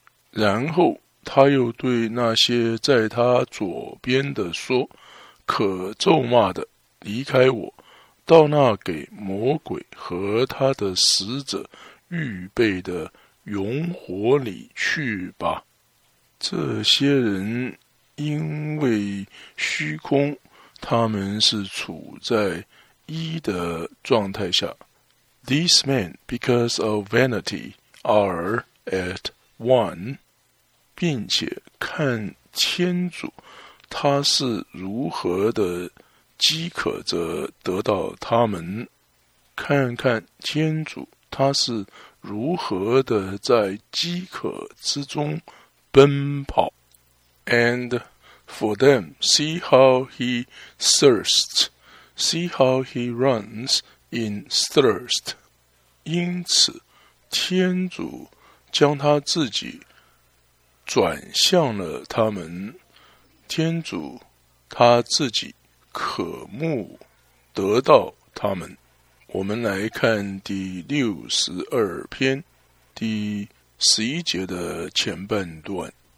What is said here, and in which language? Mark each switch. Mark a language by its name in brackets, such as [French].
[Chinese] 然后他又对那些在他左边的说：“可咒骂的，离开我，到那给魔鬼和他的使者预备的永火里去吧。” 这些人因为虚空，他们是处在一的状态下。 [English] These men, because of vanity, are at one. [Chinese] 并且看天主他是如何的饥渴着得到他们，看看天主他是如何的在饥渴之中奔跑。 [English] AndFor them, see how he thirsts, see how he runs in thirst. [Chinese] 因此天主将他自己转向了他们，天主他自己渴慕得到他们。我们来看第62第11的前半段。